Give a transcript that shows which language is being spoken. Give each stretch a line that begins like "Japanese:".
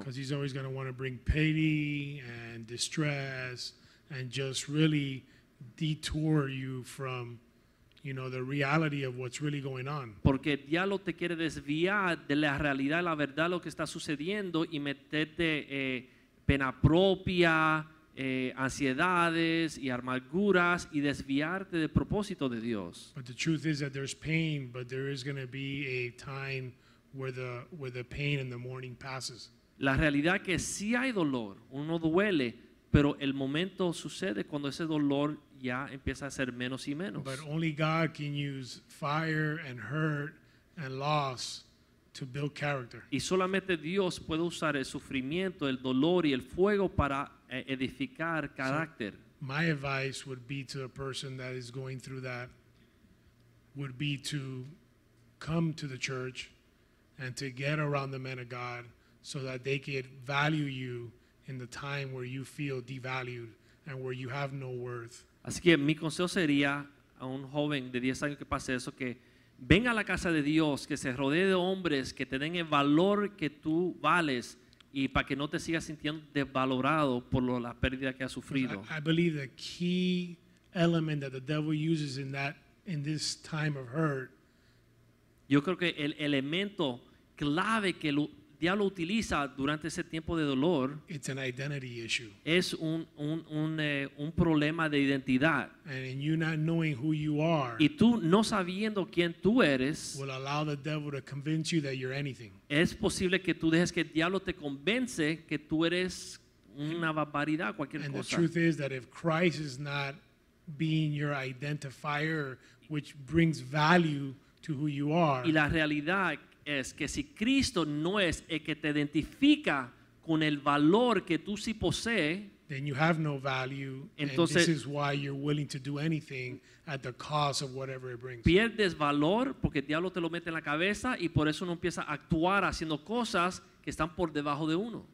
English: Because he's always going to want to bring pity and distress and just really detour you from, you know, the reality of what's really going on.
Spanish: Porque el diablo te quiere desviar de la realidad, la verdad, lo que está sucediendo y meterte pena propia, ansiedades y amarguras y desviarte del propósito de Dios.
English: But the truth is that there's pain, but there is going to be a time where the pain and the mourning passes.
Spanish: La realidad que sí hay dolor, uno duele, pero el momento sucede cuando ese dolor ya empieza a ser menos y menos.
English: But only God can use fire and hurt and loss to build character.
Spanish: Y solamente Dios puede usar el sufrimiento, el dolor y el fuego para edificar carácter.
English: So my advice would be to the person that is going through that would be to come to the church and to get around the men of God so that they could value you in the time where you feel devalued and where you have no worth.
Spanish: Así que mi consejo sería a un joven de 10 años que pase eso, que venga a la casa de Dios, que se rodee de hombres que te den el valor que tú vales y para que no te sigas sintiendo desvalorado por la pérdida que has sufrido.
English: I believe the key element that the devil uses in this time of hurt.
Spanish: Yo creo que el elemento clave que el diablo utiliza durante ese tiempo de dolor,
English: it's an identity issue.
Spanish: Es un problema de identidad.
English: And in you not knowing who you are,
Spanish: y tú no sabiendo quién tú eres,
English: will allow the devil to convince you that you're anything.
Spanish: Es posible que tú dejes que el diablo te convence que tú eres una barbaridad, cualquier
English: and
Spanish: cosa.
English: And the truth is that if Christ is not being your identifier, which brings value to who you are.
Spanish: Y la realidad es que si Cristo no es el que te identifica con el valor que tú sí posees,
English: then you have no value.
Spanish: Entonces,
English: and this is why you're willing to do anything at the cost of whatever it brings.
Spanish: Pierdes valor porque el diablo te lo mete en la cabeza y por eso uno empieza a actuar haciendo cosas que están por debajo de uno.